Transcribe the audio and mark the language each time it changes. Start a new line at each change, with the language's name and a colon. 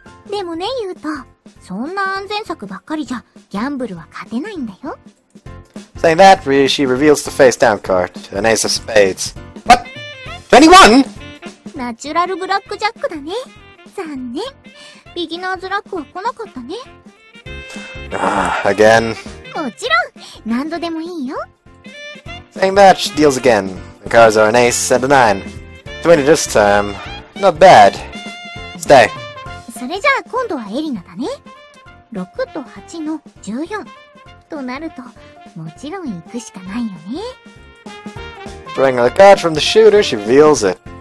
Japanese: でもね、ユウト、そんな安全策ばっかりじゃギャンブルは勝てないんだよ。
English: Saying that, she reveals the face down card, an ace of spades. What? 21?
Japanese: ナチュラルブラックジャックだね。残念。ビギナーズラックは来なかったね。
English: Again.
Japanese: もちろん、何度でもいいよ。
English: Saying that, she deals again. The cards are an ace and a nine. 20 this time. Not bad. Stay.
Japanese: それじゃあ今度はエリナだね。6と8の14。となると、もちろん行くしかないよね。
English: Drawing a card from the shooter, she reveals it.